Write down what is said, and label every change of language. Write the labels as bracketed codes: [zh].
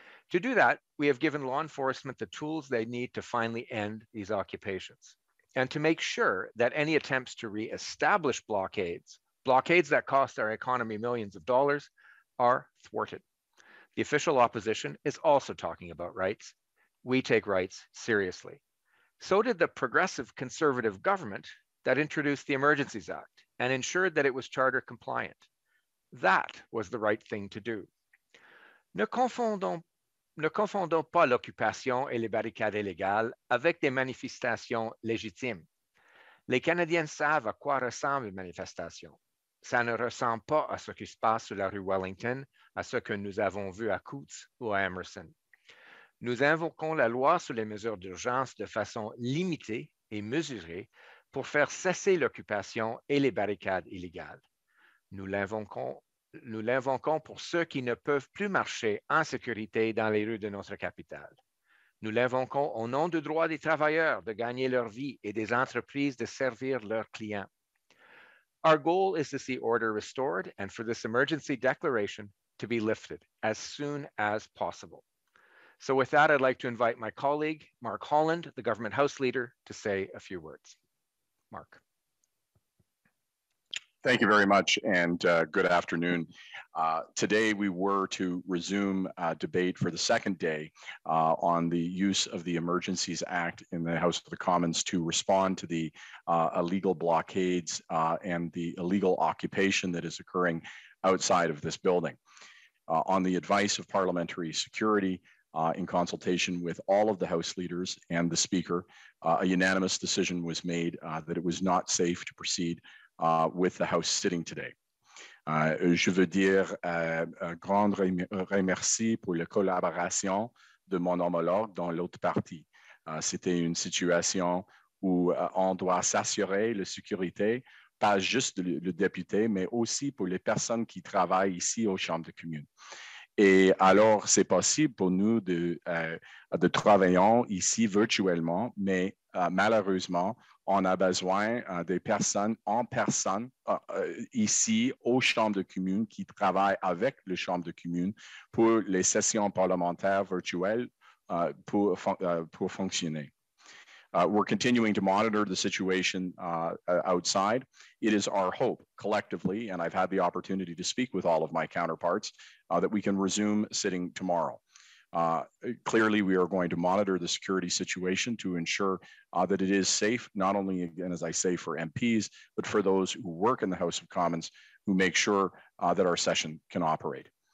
[en] To do that, we have given law enforcement the tools they need to finally end these occupations and to make sure that any attempts to re-establish blockades that cost our economy millions of dollars, are thwarted. The official opposition is also talking about rights. We take rights seriously. So did the progressive conservative government that introduced the Emergencies Act and ensured that it was charter compliant. That was the right thing to do. [fr] Ne confondons pas l'occupation et les barricades illégales avec des manifestations légitimes. Les Canadiens savent à quoi ressemble une manifestation. Ça ne ressemble pas à ce qui se passe sur la rue Wellington, à ce que nous avons vu à Coutts ou à Emerson. Nous invoquons la loi sur les mesures d'urgence de façon limitée et mesurée pour faire cesser l'occupation et les barricades illégales. Nous l'invoquons pour ceux qui ne peuvent plus marcher en sécurité dans les rues de notre capitale. Nous l'invoquons au nom du droit des travailleurs de gagner leur vie et des entreprises de servir leurs clients. [en] Our goal is to see order restored and for this emergency declaration to be lifted as soon as possible. So with that, I'd like to invite my colleague, Mark Holland, the Government House Leader, to say a few words. Mark. Thank you very much and good afternoon. Today we were to resume a debate for the second day on the use of the Emergencies Act in the House of the Commons to respond to the illegal blockades and the illegal occupation that is occurring outside of this building. On the advice of Parliamentary Security, in consultation with all of the House leaders and the Speaker, a unanimous decision was made that it was not safe to proceed with the House sitting today. [fr] Je veux dire un grand remercie pour la collaboration de mon homologue dans l'autre partie. C'était une situation où on doit s'assurer la sécurité, pas juste le député, mais aussi pour les personnes qui travaillent ici aux Chambres de communes. Et alors, c'est possible pour nous de travailler ici virtuellement, mais malheureusement, on a besoin des personnes en personne ici aux chambres de communes qui travaillent avec les chambres de communes pour les sessions parlementaires virtuelles pour fonctionner. [en] We're continuing to monitor the situation outside. It is our hope collectively, and I've had the opportunity to speak with all of my counterparts, that we can resume sitting tomorrow. Clearly, we are going to monitor the security situation to ensure that it is safe, not only, again, as I say, for MPs, but for those who work in the House of Commons who make sure that our session can operate.